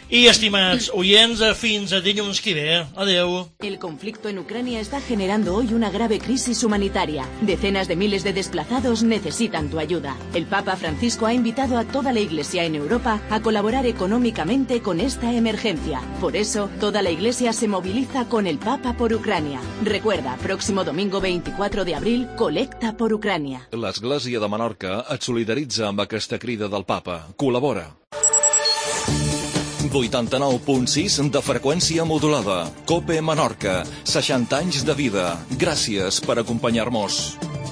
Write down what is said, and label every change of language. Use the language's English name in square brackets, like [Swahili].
[Catalan] I, estimats oients, fins a dilluns que ve. Adeu. [Spanish] El conflicto en Ucrania está generando hoy una grave crisis humanitaria. Decenas de miles de desplazados necesitan tu ayuda. El Papa Francisco ha invitado a toda la Iglesia en Europa a colaborar económicamente con esta emergencia. Por eso, toda la Iglesia se moviliza con el Papa por Ucrania. Recuerda, próximo domingo 24 de abril, colecta por Ucrania. [Catalan] L'Església de Menorca et solidaritza amb aquesta crida del Papa. Col·labora. 89.6 de freqüència modulada. COPE Menorca. 60 anys de vida. Gràcies per acompanyar-nos.